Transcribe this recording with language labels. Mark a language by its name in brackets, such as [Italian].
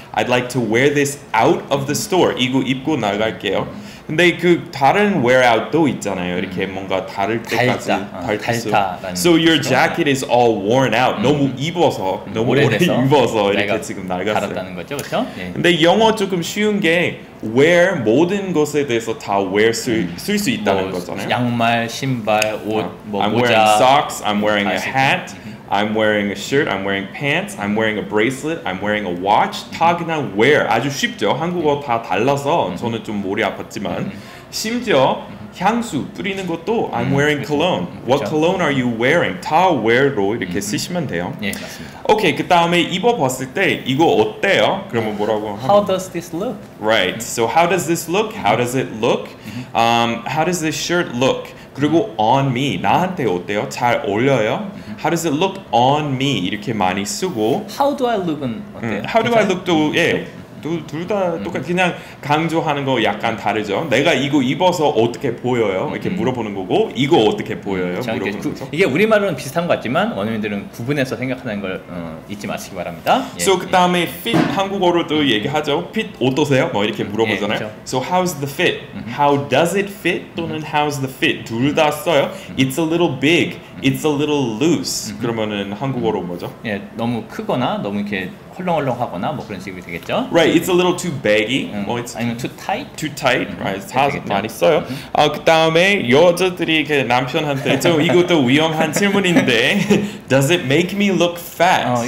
[English] I'd like to wear this out of the store. [Korean] 이거 입고 나갈게요. 근데 그 다른 wear out도 있잖아요. 이렇게 뭔가 다를 때까지 달다. [English] So your jacket is all worn out. [Korean] 너무 입어서 너무 오래 입어서 이렇게 지금 낡았어요. 다랐다는 거죠, 그렇죠? 네. 근데 영어 조금 쉬운 게 wear 모든 것에 대해서 다 wear 쓸 수 있다는 뭐, 거잖아요. 양말, 신발, 옷, 뭐 [English] I'm [Korean] 모자. [English] wearing socks. I'm wearing a hat. I'm wearing a shirt, I'm wearing pants, I'm wearing a bracelet, I'm wearing a watch. [Korean] 다 그냥 wear. 아주 쉽죠? 한국어 다 달라서 저는 좀 머리 아팠지만. 심지어 향수 뿌리는 것도 [English] I'm wearing cologne. What cologne are you wearing? [Korean] 다 wear로 이렇게 쓰시면 돼요. 예, 맞습니다. 오케이, 그 다음에 입어봤을 때 이거 어때요? 그러면 뭐라고 하면? [English] How does this look? Right, so how does this look? How does it look? How does this shirt look? [Korean] 그리고 [English] on me, [Korean] 나한테 어때요? 잘 어울려요? [English] How does it look on me? [Korean] 이렇게 많이 쓰고 How do I look은 어때요? How do 괜찮아? I look도 예, 둘 다 똑같아 그냥 강조하는 거 약간 다르죠 내가 이거 입어서 어떻게 보여요? 이렇게 물어보는 거고 이거 어떻게 보여요? 물어보는 거죠 이게 우리말로는 비슷한 것 같지만 원어민들은 구분해서 생각하는 걸 잊지 마시기 바랍니다 예, So 그 다음에 예. fit 한국어로도 얘기하죠 fit 어떠세요? 뭐 이렇게 물어보잖아요 예, 그렇죠. [English] So how's the fit? How does it fit? 또는 how's the fit? 둘 다 써요 It's a little big It's a little loose. [Korean] 그러면은 한국어로 뭐죠? 예, 너무 크거나 너무 이렇게 헐렁헐렁하거나 뭐 그런 식이 되겠죠? [English] Right, it's a little too baggy. 뭐 it's 아니면 too tight? Too tight, right. [Korean] 다 되겠죠. 많이 써요. 그다음에 여자들이 이렇게 남편한테 좀 이것도 위험한 질문인데 [English] Does it make me look fat?